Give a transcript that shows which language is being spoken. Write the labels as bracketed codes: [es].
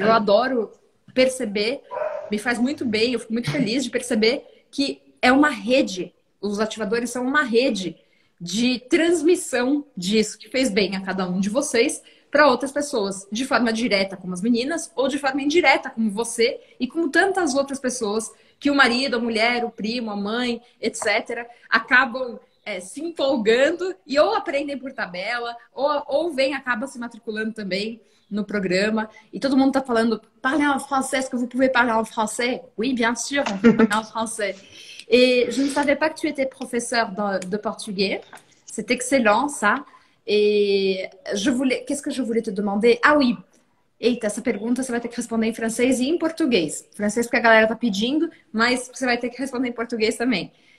[pt] Eu adoro perceber, me faz muito bem, eu fico muito feliz de perceber que é uma rede, os ativadores são uma rede de transmissão disso que fez bem a cada um de vocês para outras pessoas, de forma direta, como as meninas, ou de forma indireta, como você e como tantas outras pessoas que o marido, a mulher, o primo, a mãe, etc., acabam se empolgando e ou aprendem por tabela, ou vem, acaba se matriculando também no programa. E todo mundo está falando, [fr] parle en français, que vous pouvez parler en français? Oui, bien sûr, on peut parler en français. Et je ne savais pas que tu étais professeur de portugais. C'est excellent, ça. Et je voulais, qu'est-ce que je voulais te demander? Ah oui. [pt] Eita, essa pergunta você vai ter que responder em francês e em português. Francês porque a galera tá pedindo, mas você vai ter que responder em português também.